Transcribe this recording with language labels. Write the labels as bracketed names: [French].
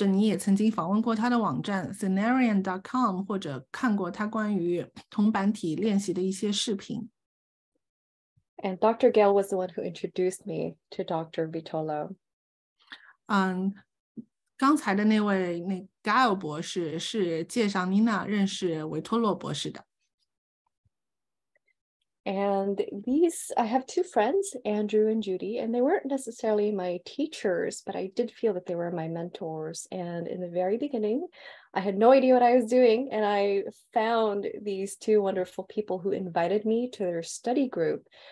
[Chinese] 他想说，如果你接触到铜板体或者ES这个字体，那你一定会对维托洛博士有所了解，或者你也曾经访问过他的网站 scenarian.com， 或者看过他关于铜板体练习的一些视频。 [English] And Dr. Gale was the one who introduced me to Dr. Vitolo. [Chinese] 刚才的那位Gale博士是介绍Nina认识维托洛博士的。 [English] And these, I have two friends, Andrew and Judy, and they weren't necessarily my teachers, but I did feel that they were my mentors. And in the very beginning, I had no idea what I was doing, and I found these two wonderful people who invited me to their study group.